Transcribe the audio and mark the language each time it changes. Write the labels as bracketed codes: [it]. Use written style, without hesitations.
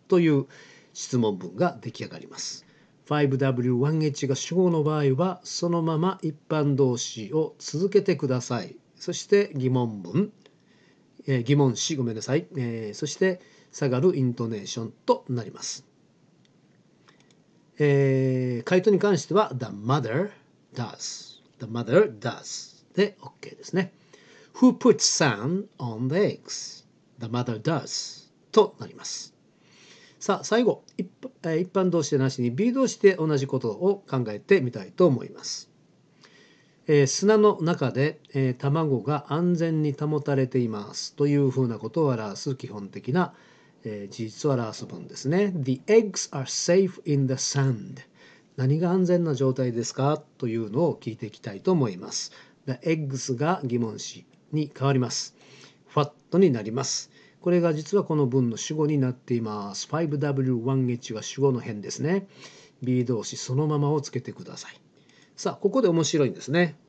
[ja] という質問文が出来上がります。5W1H が主語の場合はそのまま一般動詞を続けてください。そして疑問文、疑問詞、ごめんなさい、そして下がるイントネーションとなります。回答に関しては [en] The mother does、 The mother does [ja] で OK ですね。 [en] Who puts sand on the eggs? The mother does [ja] となります。さあ最後、一般動詞でなしに B 動詞で同じことを考えてみたいと思います。砂の中で、卵が安全に保たれていますというふうなことを表す基本的な、事実を表す文ですね。 [en] The eggs are safe in the sand。 [ja] 何が安全な状態ですかというのを聞いていきたいと思います。 The eggs が疑問詞に変わります。What になります。これが実はこの文の主語になっています。5W1H が主語の辺ですね。 B 動詞そのままをつけてください。さあここで面白いんですね。